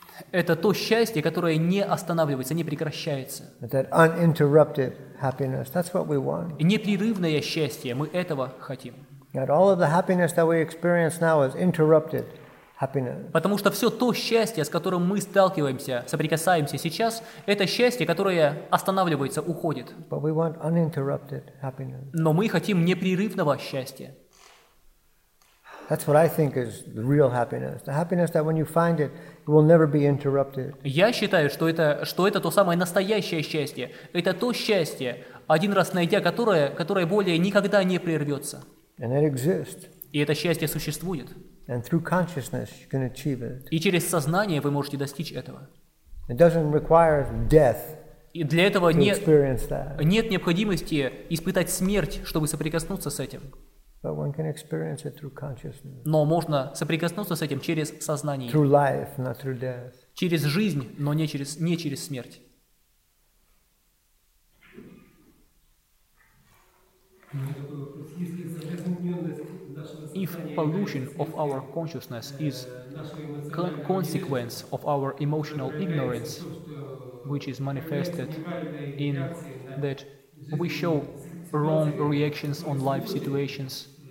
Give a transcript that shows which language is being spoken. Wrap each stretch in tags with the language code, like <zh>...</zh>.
<ru>Это то счастье, которое не останавливается, не прекращается.</ru> <en>That uninterrupted happiness, that's what we want.</en> <ru>Непрерывное счастье, мы этого хотим.</ru> <en>That all of the happiness that we experience now is interrupted happiness.</en> <ru>Потому что все то счастье, с которым мы сталкиваемся, соприкасаемся сейчас, это счастье, которое останавливается, уходит.</ru> <en>But we want uninterrupted happiness.</en> <ru>Но мы хотим непрерывного счастья.</ru> <en>That's what I think is the real happiness. The happiness that when you find it, it will never be interrupted.</en> <ru>Я считаю, что это то самое настоящее счастье. Это то счастье, один раз найдя которое более никогда не прервется.</ru> <en>And it exists.</en> <ru>И это счастье существует.</ru> <en>And through consciousness you can achieve it.</en> <ru>И через сознание вы можете достичь этого.</ru> <en>It doesn't require death.</en> <ru>И для этого нет необходимости испытать смерть, чтобы соприкоснуться с этим.</ru> <en>But one can experience it through consciousness.</en> <ru>Но можно соприкоснуться с этим через сознание.</ru> <en>Through life, not through death.</en> <ru>Через жизнь, но не через смерть.</ru> <en>If pollution of our consciousness is consequence of our emotional ignorance, which is manifested in that we show wrong reactions on life situations.</en>